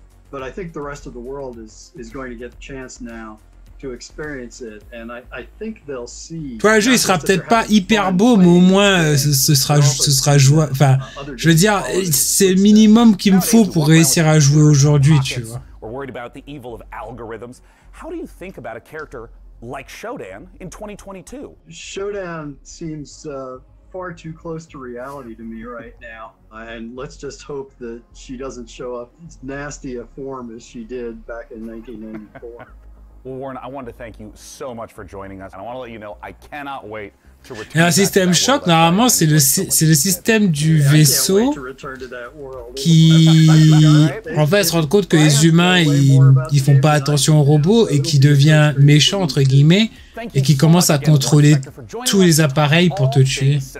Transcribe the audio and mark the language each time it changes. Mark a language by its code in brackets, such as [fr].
[en] But I think the rest of the world is going to get the chance now to experience it, and I think they'll see. [fr] Toi, le jeu, il sera peut-être pas hyper beau, mais au moins ce sera jouable. Enfin, je veux dire, c'est le minimum qu'il me faut pour réussir à jouer aujourd'hui, tu vois. [en] We're worried about the evil of algorithms. How do you think about a character like Shodan in 2022? Shodan seems far too close to reality to me right now. And let's just hope that she doesn't show up as nasty a form as she did back in 1994. Well, Warren, I wanted to thank you so much for joining us. And I want to let you know, I cannot wait to return. [fr] Et un système choc, normalement, c'est le système du vaisseau qui, en fait, se rend compte que les humains, ils font pas attention aux robots et qui devient méchant, entre guillemets, et qui commence à contrôler tous les appareils pour te tuer.